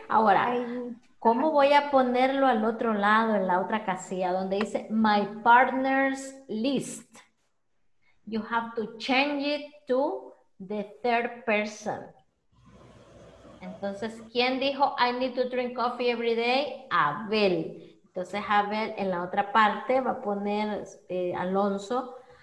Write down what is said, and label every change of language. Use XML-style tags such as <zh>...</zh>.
<es>Ahora, ¿cómo voy a ponerlo al otro lado, en la otra casilla, donde dice my partner's list?</es> <en>You have to change it to the third person.</en> <es>Entonces, ¿quién dijo</es> <en>I need to drink coffee every day?</en> <es>Abel. Entonces, Abel, en la otra parte, va a poner Alonso.</es>